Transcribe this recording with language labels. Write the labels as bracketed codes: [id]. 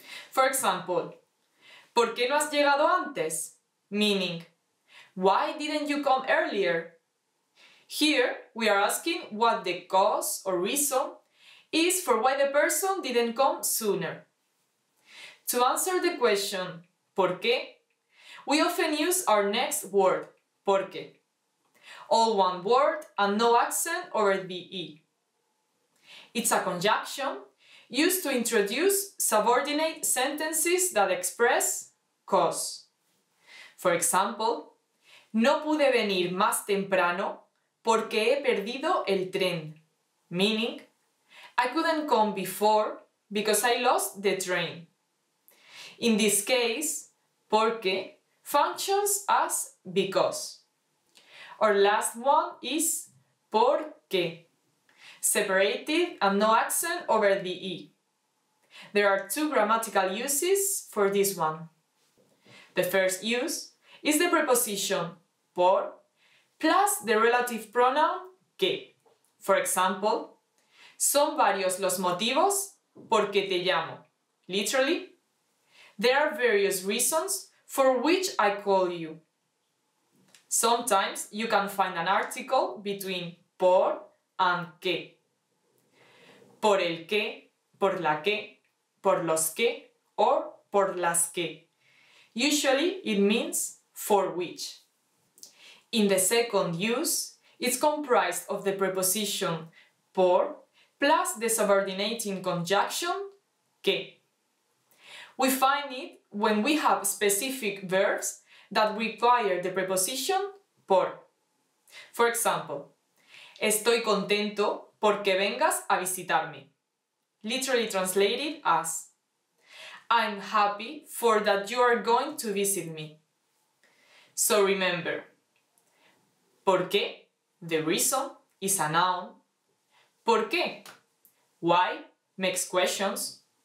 [en] For example, [es] ¿por qué no has llegado antes? [en] Meaning, why didn't you come earlier? Here, we are asking what the cause or reason is for why the person didn't come sooner. To answer the question, ¿por qué?, we often use our next word, porque. All one word and no accent over the E. It's a conjunction used to introduce subordinate sentences that express cause. For example, [es] no pude venir más temprano porque he perdido el tren. [en] Meaning, I couldn't come before because I lost the train. In this case, porque functions as because. Our last one is porque, separated and no accent over the E. There are two grammatical uses for this one. The first use is the preposition por plus the relative pronoun que. For example, [es] son varios los motivos por que te llamo. [en] Literally, there are various reasons for which I call you. Sometimes you can find an article between por and que. [es] Por el que, por la que, por los que, or por las que. [en] Usually it means for which. In the second use, it's comprised of the preposition por plus the subordinating conjunction que. We find it when we have specific verbs that require the preposition por. For example, [es] estoy contento porque vengas a visitarme. [en] Literally translated as, I'm happy for that you are going to visit me. So remember, por qué, the reason, is a noun. Por qué, why, makes questions.